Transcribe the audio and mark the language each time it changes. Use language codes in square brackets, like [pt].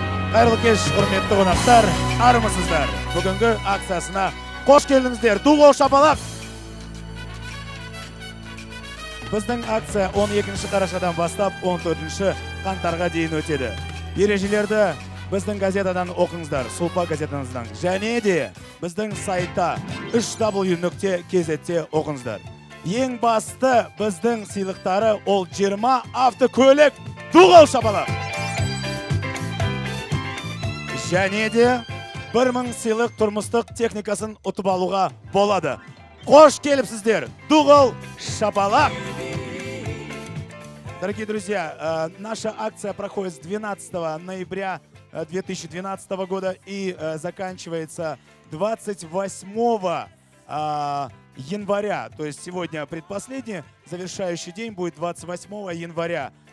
[kk] қайырлы кеш, құрметті қонақтар, армысыздар. Бүгінгі акциясына қош келдіңіздер. Ду қол шапалақ. Біздің акция 12-ші қарашадан бастап 14-ші қаңтарға дейін өтеді. Ережелерді біздің газетадан оқыңыздар, Сулпа газетіңіздан. Және де біздің сайтта www.kz.te оқыңыздар. Ең басты біздің сыйлықтары ол 20 автокөлік. Ду қол шапалақ. Және де 1000 сыйлық тұрмыстық техникасын ұтып алуға болады. Қош келіпсіздер, ду қол шапалақ! [ru] Дорогие друзья, наша акция проходит с 12 ноября 2012 года и заканчивается 28 января. То есть сегодня предпоследний, завершающий день будет 28 января.